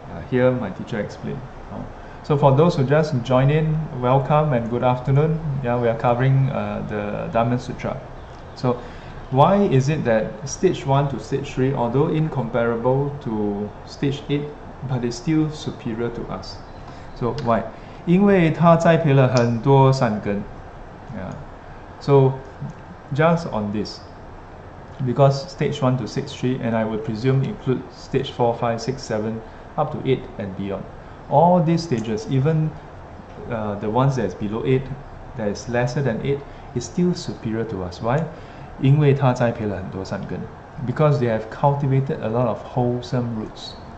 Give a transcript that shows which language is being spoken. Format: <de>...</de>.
<en>Here my teacher explained. So for those who just join in, welcome and good afternoon. Yeah, we are covering the Dhamma Sutra. So why is it that stage 1 to stage 3, although incomparable to stage 8, but it's still superior to us? So why?</en> <zh>因为他栽培了很多善根.</zh> <en>Yeah. So just on this, because stage 1 to stage 3, and I would presume include stage 4, 5, 6, 7, up to 8 and beyond. All these stages, even the ones that is below 8, that is lesser than 8, is still superior to us. Why?</en> <zh>因为他栽培了很多善根.</zh> <en>Because they have cultivated a lot of wholesome roots.</en>